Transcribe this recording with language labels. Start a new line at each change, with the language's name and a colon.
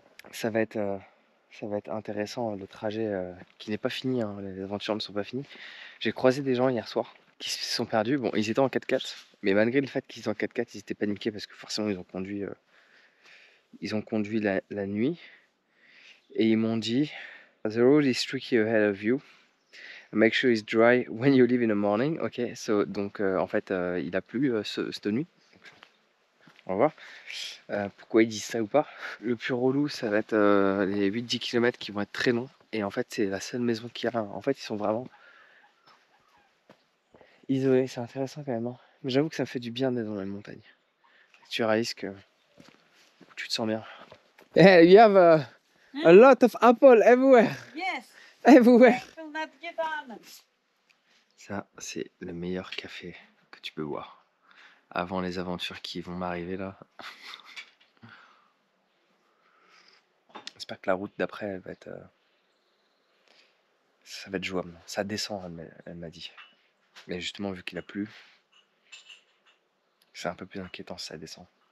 French: Ça va être intéressant, le trajet qui n'est pas fini, hein. Les aventures ne sont pas finies. J'ai croisé des gens hier soir qui se sont perdus. Bon, ils étaient en 4x4, mais malgré le fait qu'ils étaient en 4x4, ils étaient paniqués parce que forcément, ils ont conduit la nuit. Et ils m'ont dit,
English: the road is tricky ahead of you. Make sure it's dry when you leave in the morning.
French: Ok, so, donc, en fait, il a plu cette nuit. On va voir pourquoi ils disent ça ou pas. Le plus relou, ça va être les 8-10 km qui vont être très longs. Et en fait, c'est la seule maison qu'il y a. Enfin, en fait, ils sont vraiment isolés. C'est intéressant quand même. Hein. Mais j'avoue que ça me fait du bien d'être dans la montagne. Tu réalises que tu te sens bien.
English: Hey, you have a lot of apples everywhere. Yes. Everywhere. I will not get on.
French: Ça, c'est le meilleur café que tu peux boire. Avant les aventures qui vont m'arriver là. J'espère que la route d'après elle va être. Ça va être jouable. Ça descend, elle m'a dit. Mais justement, vu qu'il a plu, c'est un peu plus inquiétant si ça descend.